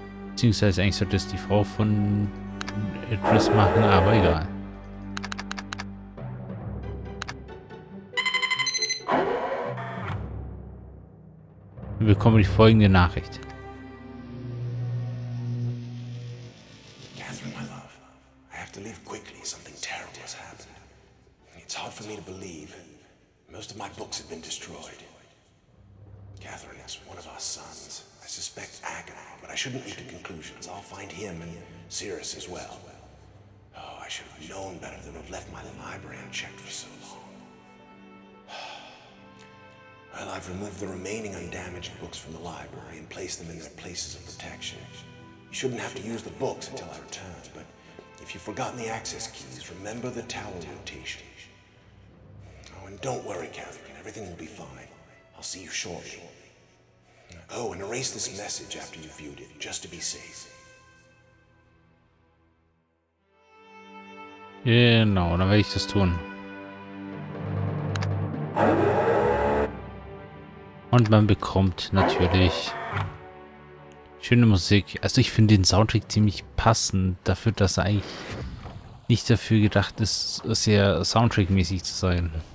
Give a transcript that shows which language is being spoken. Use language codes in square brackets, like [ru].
[de] Beziehungsweise eigentlich sollte es die Frau von Idris machen, aber egal. Wir bekommen die folgende Nachricht. [en] Catherine, my love, I have to leave quickly. Something terrible has happened. It's hard for me to believe. Most of my books have been destroyed. Catherine, it's one of our sons. I suspect Agnew, but I shouldn't leap to conclusions. I'll find him and Cirrus as well. Oh, I should have known better than to have left my library unchecked for so long. Well, I've removed the remaining undamaged books from the library and placed them in their places of protection. You shouldn't have to use the books until I return, but if you've forgotten the access keys, remember the tower rotation. Oh, and don't worry, Catherine, everything will be fine. I'll see you shortly. Oh, and erase this message after you've viewed it, just to be safe. [de] Genau, dann werde ich das tun. Und man bekommt natürlich schöne Musik. Also ich finde den Soundtrack ziemlich passend dafür, dass er eigentlich nicht dafür gedacht ist, sehr Soundtrack-mäßig zu sein.